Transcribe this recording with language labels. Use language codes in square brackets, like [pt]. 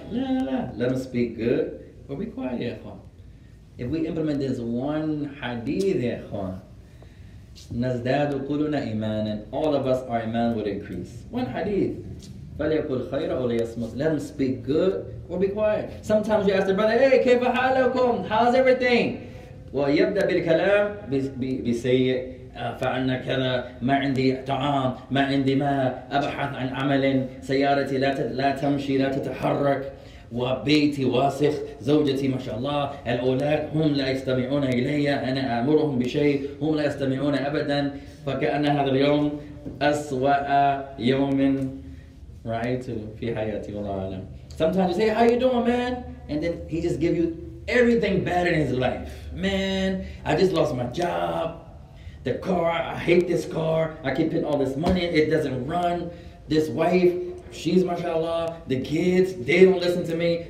[en] La la la. Let him speak good. Or be quiet, ya akhi. If we implement this one hadith, ya akhi. [ar] نزداد كلنا إيمانا [en] and all of us our iman would increase. One hadith. [ar] فليقول خيرا أو ليصمت. [en] Let them speak good or be quiet. Sometimes you ask the brother, hey, [ar] كيف حالكم? [en] How's everything? [ar] ويبدأ بالكلام بسيء. فأنا كذا ما عندي طعام ما عندي ما أبحث عن عمل سيارتي لا تمشي لا تتحرك وبيتي واسخ زوجتي ما شاء الله الأولاد هم لا يستمعون إلي أنا أمرهم بشيء هم لا يستمعون أبدا فكأن هذا اليوم أسوأ يوم رأيته في حياتي والله أعلم. [en] Sometimes you say how you doing, man, and then he just give you everything bad in his life. Man, I just lost my job, the car, I hate this car, I keep putting all this money, it doesn't run, this wife, she's mashallah, the kids, they don't listen to me.